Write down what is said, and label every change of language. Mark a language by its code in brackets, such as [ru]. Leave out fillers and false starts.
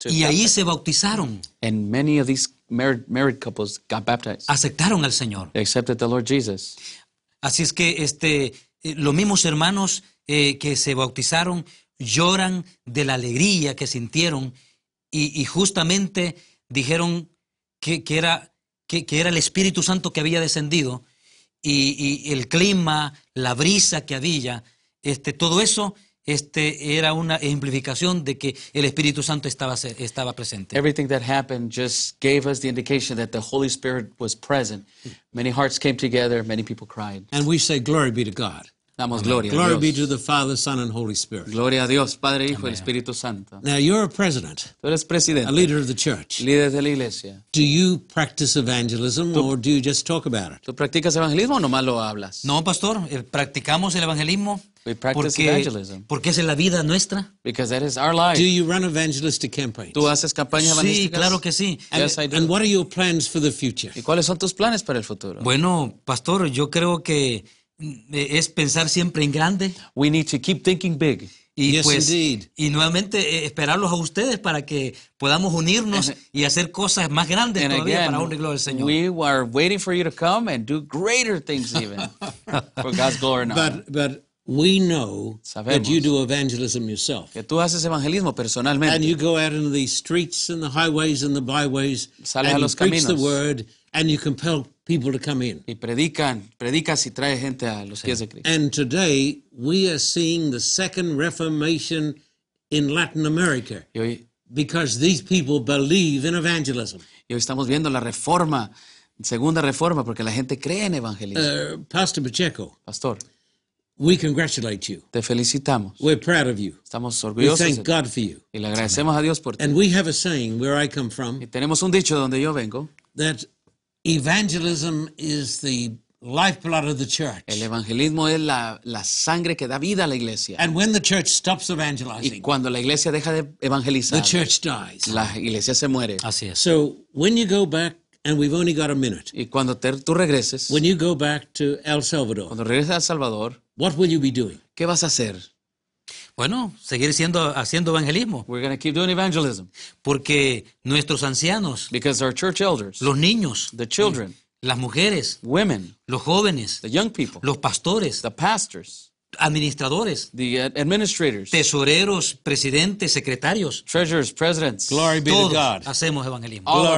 [es] Y ahí se bautizaron. [en] And many of these married couples got baptized. [es] Aceptaron al Señor. [en] They accepted the Lord Jesus. [es] Así es que los mismos hermanos que se bautizaron lloran de la alegría que sintieron y justamente dijeron que era el Espíritu Santo que había descendido y el clima, la brisa que había, todo eso. Era una ejemplificación de que el Espíritu Santo estaba presente. [en] Everything that happened just gave us the indication that the Holy Spirit was present. Many hearts came together, many people cried. And we say, glory be to God. [es] Damos gloria a Dios. [en] Glory be to the Father, Son, and Holy Spirit. [es] Gloria a Dios, Padre, Hijo, y Espíritu Santo. [en] Now you're a president. [es] Tú eres presidente. [en] A leader of the church. [es] Líder de la iglesia. [en] Do you practice evangelism or do you just talk about it? [es] ¿Tú practicas evangelismo o nomás lo hablas? No, pastor, practicamos el evangelismo. [en] We practice evangelism. [es] Porque es la vida nuestra. [en] Because that is our life. Do you run evangelistic campaigns? [es] ¿Tú haces campañas evangelísticas? Sí, claro que sí. [en] Yes, I do. And what are your plans for the future? [es] ¿Y cuáles son tus planes para el futuro? Bueno, pastor, yo creo que es pensar siempre en grande. [en] We need to keep thinking big. Y yes, pues, indeed. [es] Y nuevamente esperarlos a ustedes para que podamos unirnos y hacer cosas más grandes [en] and [es] todavía [en] again, [es] para honra y gloria del Señor. [en] We are waiting for you to come and do greater things even for God's glory and honor. But we know [es] Sabemos [en] that you do evangelism yourself. [es] Que tú haces evangelismo personalmente. [en] And you go out into the streets and the highways and the byways [es] Sales [en] and [es] a los [en] you [es] caminos. [en] Preach the word and you compel people to come in. [es] Y predicas y traes gente a los pies de Cristo. [en] And today we are seeing the second reformation in Latin America. [es] Y hoy, [en] because these people believe in evangelism. [es] Y hoy estamos viendo la reforma, segunda reforma, porque la gente cree en evangelismo. Pastor Pacheco. Pastor. [en] We congratulate you. [es] Te felicitamos. [en] We're proud of you. [es] Estamos orgullosos. [en] We thank God for you. [es] Y le agradecemos a Dios por ti. [en] And we have a saying where I come from. [es] Y tenemos un dicho donde yo vengo. [en] That evangelism is the lifeblood of the church. [es] El evangelismo es la sangre que da vida a la iglesia. [en] And when the church stops evangelizing, [es] y cuando la iglesia deja de evangelizar, [en] the church dies. [es] La iglesia se muere. Así es. [en] So when you go back, and we've only got a minute. [es] Y cuando tú regreses, [en] when you go back to El Salvador, [es] cuando regreses a El Salvador, [en] what will you be doing? [es] ¿Qué vas a hacer? Bueno, seguir haciendo evangelismo. [en] We're going to keep doing evangelism. [es] Porque nuestros ancianos. [en] Because our church elders. [es] Los niños. [en] The children. [es] Las mujeres. [en] Women. [es] Los jóvenes. [en] The young people. [es] Los pastores. [en] The pastors. [es] Administradores. [en] The administrators. [es] Tesoreros, presidentes, secretarios. [en] Treasurers, presidents. Glory be [es] todos [en] to God. [es] Hacemos evangelismo.